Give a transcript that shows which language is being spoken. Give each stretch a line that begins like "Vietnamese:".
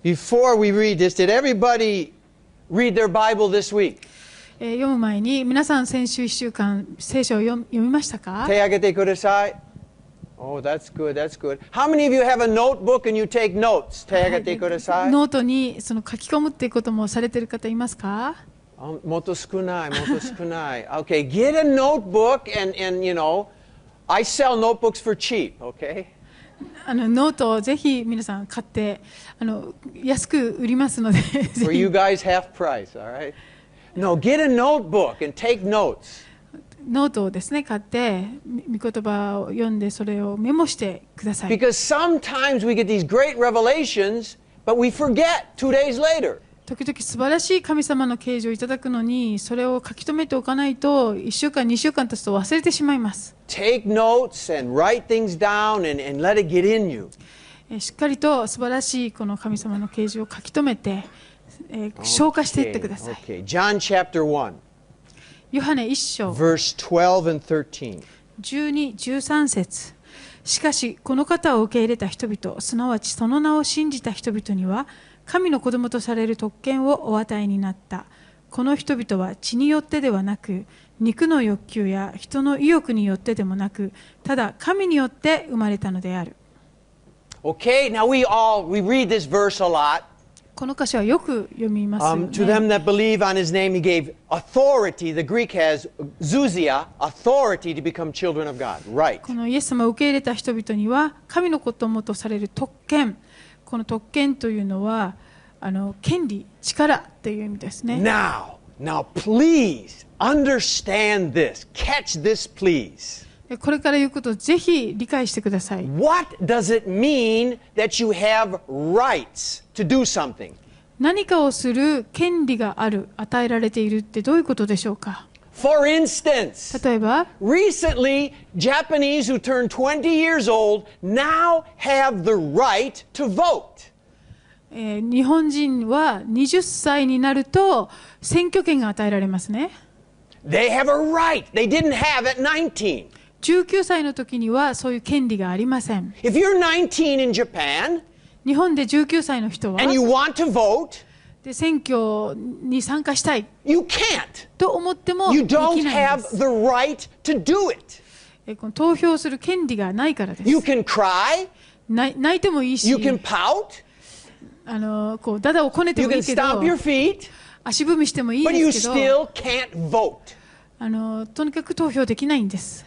English: Before we read this, did everybody read their Bible this week?
Japanese: 読む前に皆さん先週1週間聖書を読みましたか？手挙げてください。 Oh, that's good, that's good.
English: How many of you have a notebook and you take notes?
Japanese: 手挙げてください。ノートにその書き込むっていうこともされてる方いますか？もっと少ない、もっと少ない。
English: Okay, get a notebook and you know, I sell notebooks for cheap, okay?
Japanese: あのノートをぜひ皆さん買って、あの、安く売りますので、ぜひ。
English: For you guys, half price, all right? No, get a notebook and take notes.
Japanese: ノートをですね、買って、御言葉を読んで、それをメモしてください。
English: Because sometimes we get these great revelations, but we forget two days later.
Japanese: 時々素晴らしい神様の啓示をいただくのに、それを書き留めておかないと、1週間、2週間経つと忘れてしまいます。
English: Take notes and write things down and let it get in you.
Japanese: しっかりと素晴らしいこの神様の啓示を書き留めて、消化していってください。
English: Okay, okay. John chapter 1.
Japanese: ヨハネ1章
English: verse 12 and 13.
Japanese: 12、13節。しかし、この方を受け入れた人々、すなわちその名を信じた人々には、神の子供とされる特権をお与えになった。この人々は血によってではなく、肉の欲求や人の意欲によってでもなく、ただ神によって生まれたのである。
English: Okay, now we read this verse a lot.
Japanese: この箇所はよく読みますよね。
English: To them that believe on his name, he gave authority. The Greek has zousia, authority to become children of God. Right.
Japanese: このイエス様を受け入れた人々には神の子供とされる特権。この特権というのは、あの、権利、力という意味ですね。
English: Now, please understand this. Catch this, please.
Japanese: これから言うことをぜひ理解してください。
English: What does it mean that you have rights to do something?
Japanese: 何かをする権利がある、与えられているってどういうことでしょうか?
English: For instance,
Japanese: 例えば、
English: recently, Japanese who turned 20 years old now have the right to vote.
Japanese: 日本人は20歳になると選挙権が与えられますね。
English: They have a right they didn't have at 19.
Japanese: 19歳の時にはそういう権利がありません。
English: If you're 19 in Japan,
Japanese: 日本で19歳の人は、
English: and you want to vote,
Japanese: で選挙に参加したい、
English: you can't.
Japanese: と思っても、
English: you don't have the right to do it.
Japanese: この投票する権利がないからです。
English: You can cry,
Japanese: 泣いてもいいし、
English: you can pout,
Japanese: あの、こう、だだをこねてもいい。
English: You can stomp your feet,
Japanese: 足踏みしてもいいですけど、
English: but you still can't vote.
Japanese: あの、とにかく投票できないんです。